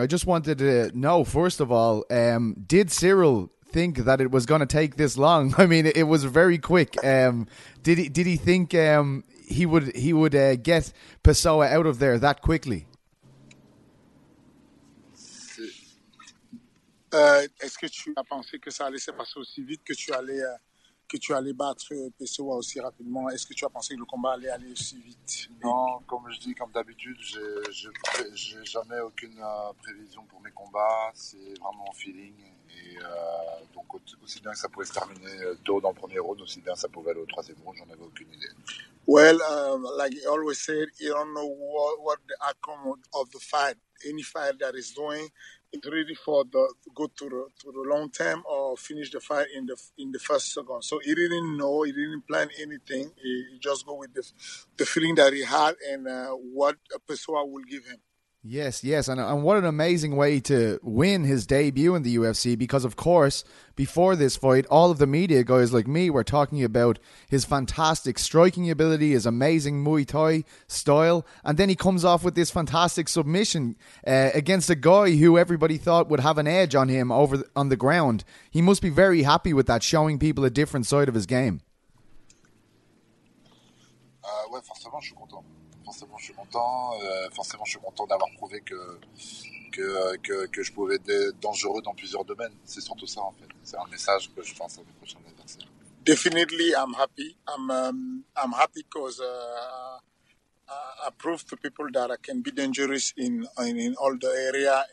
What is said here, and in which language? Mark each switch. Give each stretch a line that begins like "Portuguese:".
English: I just wanted to know, first of all, did Cyril think that it was going to take this long? I mean, it was very quick. Did he think he would get Pessoa out of there that quickly?
French: Est-ce que tu as pensé que ça allait se passer aussi vite que tu allais battre Pessoa aussi rapidement? Est-ce que tu as pensé que le combat allait aller aussi vite? Non, comme je dis, comme d'habitude, j'ai jamais aucune prévision pour mes combats. C'est vraiment feeling. Donc aussi bien que ça pouvait se terminer tôt dans le premier round, aussi bien que ça pouvait aller au troisième round, j'en avais aucune idée.
English: Well, like you always said, you don't know what the outcome of the fight. Any fight that is doing, it's really for the go to the long term or finish the fight in the first second. So he didn't know, he didn't plan anything. He just go with the feeling that he had and what Pessoa will give him. Yes, and what an amazing way to win his debut in the UFC, because of course, before this fight, all of the media guys like me were talking about his fantastic striking ability, his amazing Muay Thai style, and then he comes off with this fantastic submission against a guy who everybody thought would have an edge on him on the ground. He must be very happy with that, showing people a different side of his game.
French: Forcément, je suis content. Forcément, je suis content d'avoir prouvé que je pouvais être dangereux dans plusieurs domaines. C'est surtout ça, en fait. C'est un message que je pense à mes prochains adversaires.
English: Definitely, I'm happy. I'm happy because I proved to people that I can be dangerous in all the area.